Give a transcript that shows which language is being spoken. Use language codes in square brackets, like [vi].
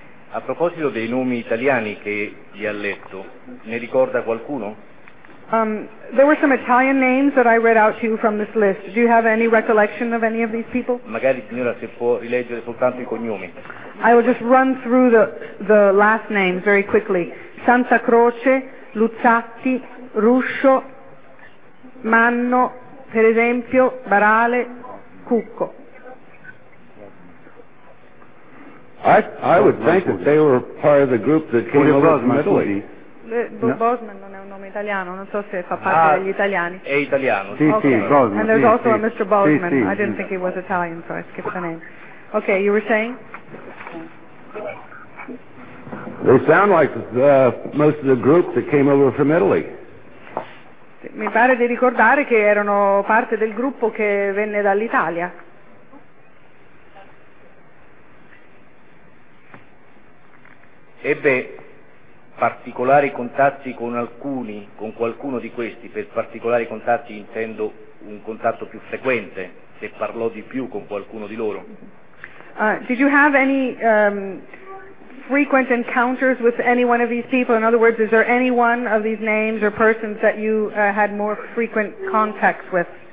[it] A proposito dei nomi italiani che gli ha letto, ne ricorda qualcuno? [en] There were some Italian names that I read out to you from this list. Do you have any recollection of any of these people? [it] Magari signora se può rileggere soltanto I cognomi. [en] I will just run through the last names very quickly. Santa Croce, Luzzatti, Ruscio, Manno, per esempio, Barale, Cucco. I would think that they were part of the group that came over from Italy. [it] Bob Bosman non è un nome italiano, non so se fa parte degli italiani. È italiano. Sì, [en] okay. [it] Sì, Bosman. [en] And there's [it] sì, [en] also A Mr. Bosman. Sì, sì. I didn't think he was Italian, so I skipped the name. Okay, you were saying? They sound like most of the group that came over from Italy. [it] Mi pare di ricordare che erano parte del gruppo che venne dall'Italia. Ebbe particolari contatti con alcuni, con qualcuno di questi, per particolari contatti intendo un contatto più frequente, se parlò di più con qualcuno di loro. [en] Did you have any frequent encounters with any one of these people? In other words, is there any one of these names or persons that you had more frequent contacts with?